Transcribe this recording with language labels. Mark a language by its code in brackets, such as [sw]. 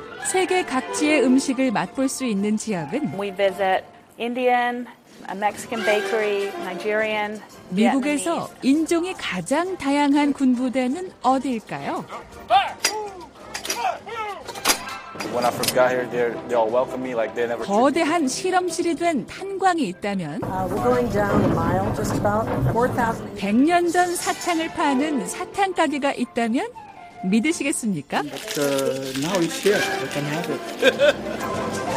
[ko] 세계 각지의 음식을 맛볼 수 있는 지역은 [en] We visit Indian, a Mexican bakery, Nigerian. [ko] 미국에서 인종이 가장 다양한 군부대는 어디일까요? [en] When I first got here, they all welcomed me like they never. [ko] 거대한 실험실이 된 탄광이 있다면. [en] We're going down a mile, just about 4,000. [ko] 100년 전 사탕을 파는 사탕 가게가 있다면 믿으시겠습니까? [en] Now it's here. I can have it.